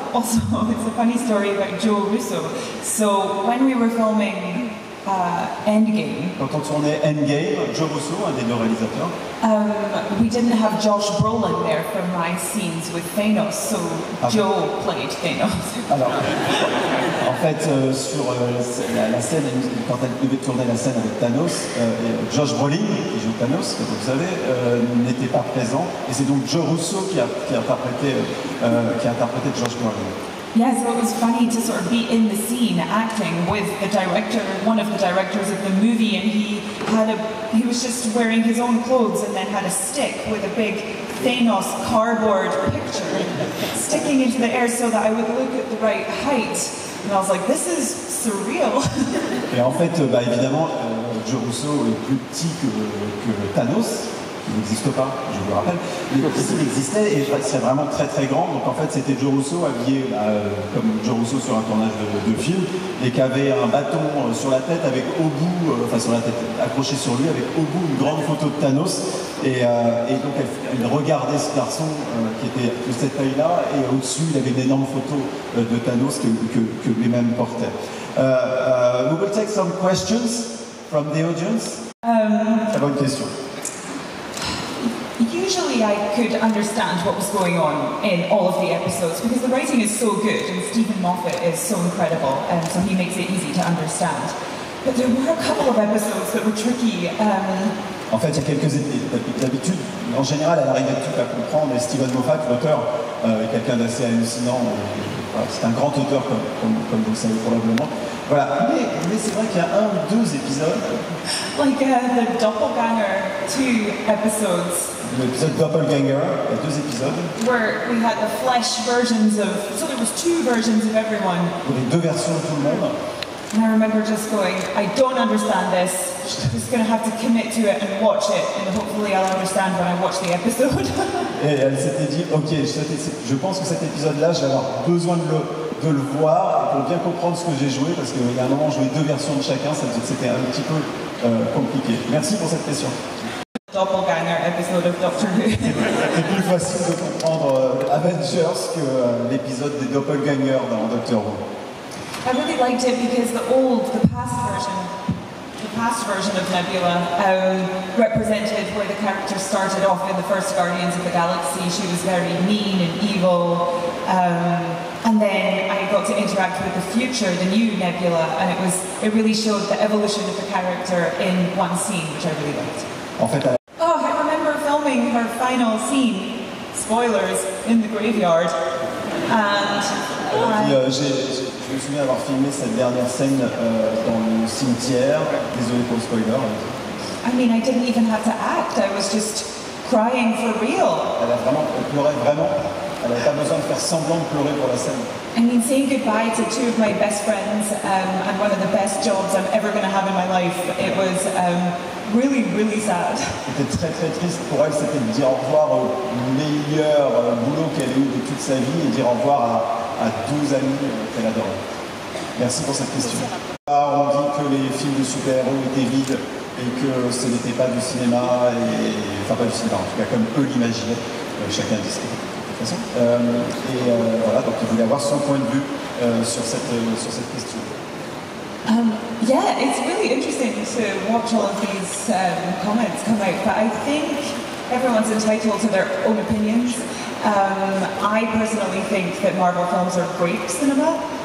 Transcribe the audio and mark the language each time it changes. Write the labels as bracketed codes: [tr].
[en] Also, it's a funny story about Joe Russo. So, when we were filming Endgame... [fr] Quand on tournait Endgame, Joe Russo, un des deux réalisateurs... [en] We didn't have Josh Brolin there for my scenes with Thanos, so Joe played Thanos. [fr] Alors, en fait, sur la scène, quand elle devait tourner la scène avec Thanos, Josh Brolin, qui joue Thanos, comme vous le savez, n'était pas présent. Et c'est donc Joe Russo qui a interprété Josh Brolin. [en] Yeah, so it was funny to sort of be in the scene acting with the director, one of the directors of the movie, and he was just wearing his own clothes and then had a stick with a big Thanos cardboard picture sticking into the air so that I would look at the right height. And I was like, this is surreal. [fr] Et en fait, bah évidemment, Joe Russo est plus petit que Thanos. Il n'existe pas, je vous le rappelle. Mais il existait et c'est vraiment très très grand. Donc en fait, c'était Joe Russo habillé comme Joe Russo sur un tournage de film et qui avait un bâton sur la tête avec au bout, sur la tête accroché sur lui, avec au bout une grande photo de Thanos. Et donc elle regardait ce garçon qui était de cette taille-là et au-dessus, il avait une énorme photo de Thanos que lui-même portait. [en] We will take some questions from the audience. [fr] Très bonne question. [en] Usually I could understand what was going on in all of the episodes because the writing is so good and Stephen Moffat is so incredible and so he makes it easy to understand. But there were a couple of episodes that were tricky. [fr] En fait, il y a quelques épisodes. D'habitude, en général, elle arrive tout à comprendre et Stephen Moffat, l'auteur, est quelqu'un d'assez hallucinant. C'est un grand auteur, comme vous le savez probablement. Voilà. Mais c'est vrai qu'il y a un ou deux épisodes. [en] Like the Doppelganger, two episodes. [fr] L'épisode Doppelganger, il y a deux épisodes. [en] Where we had the flesh versions of. So there was two versions of everyone. [fr] Les deux versions de tout le monde. [en] And I remember just going, I don't understand this. I'm just going to have to commit to it and watch it. And hopefully I'll understand when I watch the episode. [fr] Et elle s'était dit, ok, je pense que cet épisode-là, je vais avoir besoin de le voir pour bien comprendre ce que j'ai joué, parce qu'il y a un moment, je jouais deux versions de chacun, c'était un petit peu compliqué. Merci pour cette question. [en] Doppelganger episode of Doctor Who. [fr] C'est plus facile de comprendre Avengers que l'épisode des Doppelgangers dans Doctor Who. [en] I really liked it because the past version of Nebula represented where the character started off in the first Guardians of the Galaxy. She was very mean and evil. And then I got to interact with the future, the new Nebula, and it really showed the evolution of the character in one scene, which I really liked. [fr] En fait, [en] I remember filming her final scene, spoilers, in the graveyard. And [fr] je me souviens avoir filmé cette dernière scène dans le cimetière. Désolé pour le spoiler. [en] I mean, I didn't even have to act. I was just crying for real. [fr] Elle pleurait vraiment. Elle n'avait pas besoin de faire semblant de pleurer pour la scène. [en] I mean, saying goodbye to two of my best friends and one of the best jobs I'm ever going to have in my life, it was really, really sad. [fr] C'était très, très triste pour elle. C'était de dire au revoir au meilleur boulot qu'elle ait eu de toute sa vie et dire au revoir à 12 amis qu'elle adore. Merci pour cette question. Ah, on dit que les films de super-héros étaient vides et que ce n'était pas du cinéma, enfin pas du cinéma, en tout cas comme eux l'imaginaient, chacun dit ce qu'il y a. Voilà, donc il voulait avoir son point de vue sur cette question. [en] Yeah, it's really interesting to watch all of these comments come out, but I think everyone's entitled to their own opinions. I personally think that Marvel films are great cinema.